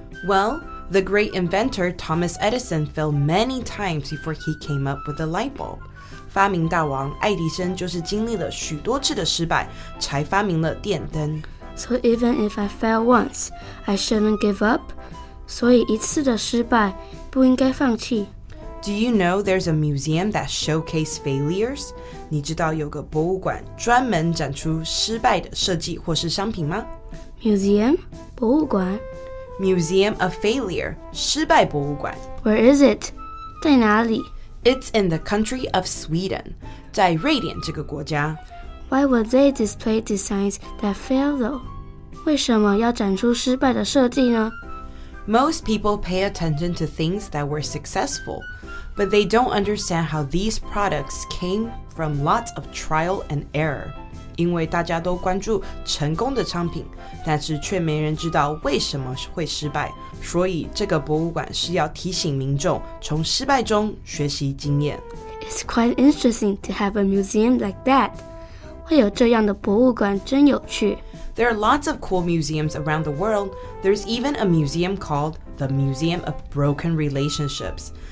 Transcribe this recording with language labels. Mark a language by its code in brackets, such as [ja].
[en] Well, the great inventor Thomas Edison failed many times before he came up with the light bulb. [zh] 发明大王爱迪生就是经历了许多次的失败才发明了电灯。 [en] So even if I fail once, I shouldn't give up? [zh] 所以一次的失败不应该放弃。 [en] Do you know there's a museum that showcases failures? [zh] 你知道有个博物馆专门展出失败的设计或是商品吗？ [en] Museum? [zh] 博物馆？ [en] Museum of Failure, [zh] 失败博物馆。 [en] Where is it? [zh] 在哪里？ [en] It's in the country of Sweden, [zh] 在瑞典这个国家。 [en] Why would they display designs that fail though? [zh] 为什么要展出失败的设计呢？ [en] Most people pay attention to things that were successful, but they don't understand how these products came from lots of trial and error. [zh] 因为大家都关注成功的商品，但是却没人知道为什么会失败。所以这个博物馆是要提醒民众从失败中学习经验。 [en] It's quite interesting to have a museum like that. [zh] 会有这样的博物馆真有趣。 [en] There are lots of cool museums around the world. There's even a museum called the Museum of Broken Relationships.